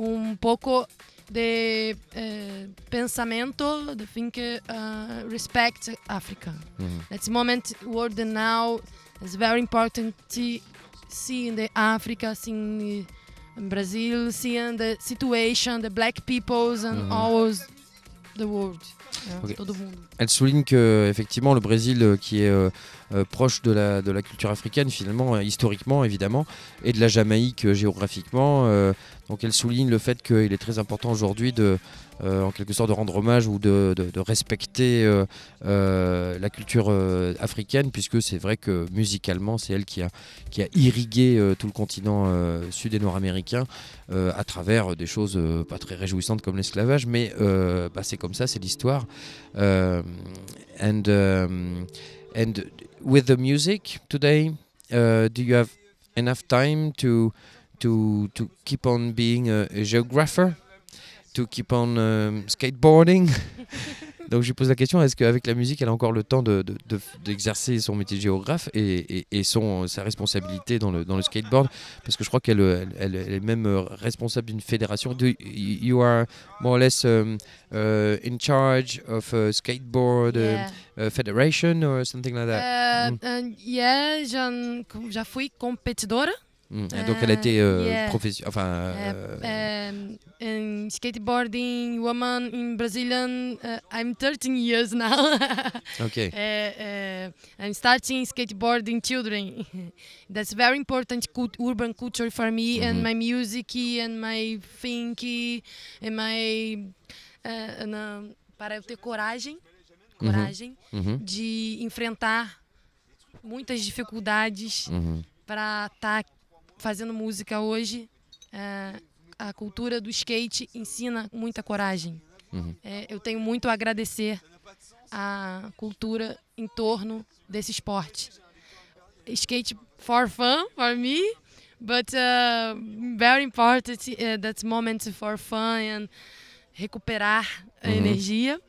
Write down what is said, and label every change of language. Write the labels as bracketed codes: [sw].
[pt] un poco de pensamento, [en] the think, respect Africa. Mm-hmm. At the moment, world now, it's very important to see in the Africa, seeing in Brazil, seeing the situation, the black peoples and mm-hmm. always. The world. Yeah, okay. [fr] Elle souligne que effectivement le Brésil, qui est proche de la culture africaine finalement, historiquement évidemment, et de la Jamaïque géographiquement, donc elle souligne le fait qu'il est très important aujourd'hui de, en quelque sorte, de rendre hommage ou de respecter la culture africaine, puisque c'est vrai que musicalement c'est elle qui a irrigué tout le continent sud et nord-américain à travers des choses pas très réjouissantes comme l'esclavage, mais bah, c'est comme ça, c'est l'histoire. [en] And with the music today, do you have enough time to keep on being a geographer, to keep on skateboarding? [fr] Donc je pose la question, est-ce qu'avec la musique, elle a encore le temps d'exercer son métier de géographe et sa responsabilité dans le skateboard? Parce que je crois qu'elle est même responsable d'une fédération. [en] You are more or less in charge of a skateboard federation or something like that? [pt] Je fui compétidora. [fr] Donc elle a été professionnelle, enfin... [en] Skateboarding woman in Brazilian, I'm 13 years now. Okay. I'm starting skateboarding children. That's very important urban culture for me, mm-hmm. and my music and my thinking and my... [pt] para eu ter coragem mm-hmm. de enfrentar muitas dificuldades mm-hmm. para estar fazendo música hoje. A cultura do skate ensina muita coragem. Uhum. Eu tenho muito a agradecer à cultura em torno desse esporte. [en] Skate for fun, for me, but very important that moment for fun and [pt] recuperar uhum. A energia.